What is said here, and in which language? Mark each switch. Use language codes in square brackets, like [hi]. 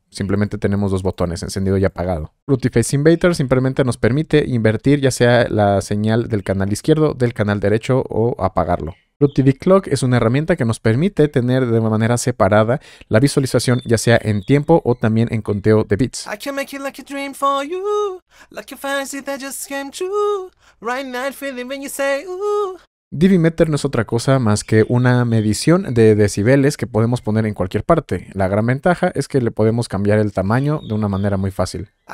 [es] Simplemente tenemos dos botones, encendido y apagado. Fruity Phase Invader simplemente nos permite invertir ya sea la señal del canal izquierdo, del canal derecho o apagarlo. Fruity Big Clock es una herramienta que nos permite tener de manera separada la visualización ya sea en tiempo o también en conteo de bits. [en] I can make it like a dream for you, like a fantasy that just came true, right now feeling when you say ooh. [es] Divimeter no es otra cosa más que una medición de decibeles que podemos poner en cualquier parte. La gran ventaja es que le podemos cambiar el tamaño de una manera muy fácil.